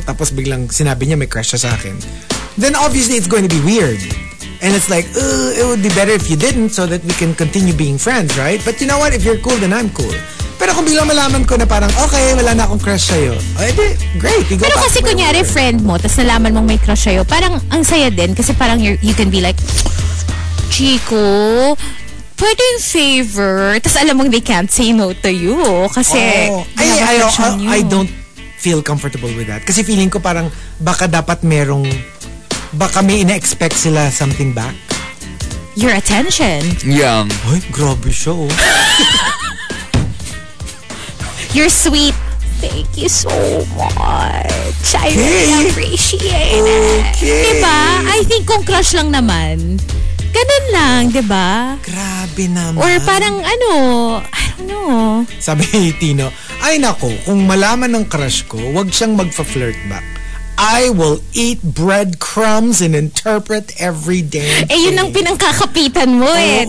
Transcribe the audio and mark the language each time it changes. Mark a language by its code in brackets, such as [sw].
[tl] Tapos biglang sinabi niya may crush siya sa akin. [en] Then obviously it's going to be weird. And it's like, it would be better if you didn't so that we can continue being friends, right? But you know what? If you're cool, then I'm cool. [tl] Pero kung bilang malaman ko na parang, okay, wala na akong crush sa'yo. [en] Edi, great. You go [tl] pero kasi kunyari, Friend mo, tapos nalaman mong may crush sa'yo, parang ang saya din. Kasi parang [en] you can be like, [tl] Chico, pwede yung favor. [en] Tapos alam mong they can't say no to you. [tl] Kasi, [en] I don't feel comfortable with that. [tl] Kasi feeling ko parang, baka dapat merong, baka may ina-expect sila something back. [en] Your attention. Yeah. [tl] Ay, grabe siya oh. [en] You're sweet. Thank you so much. I really appreciate it. Okay. [tl] Diba? [en] I think [tl] kung crush lang naman. Ganun lang, diba? Grabe. Grabe naman. [en] Or parang ano, I don't know. [tl] Sabi ni Tino, ay nako, kung malaman ng crush ko, [en] wag siyang magfa-flirt back. I will eat breadcrumbs and interpret every day. [tl] Eh, yun ang pinangkakapitan mo eh.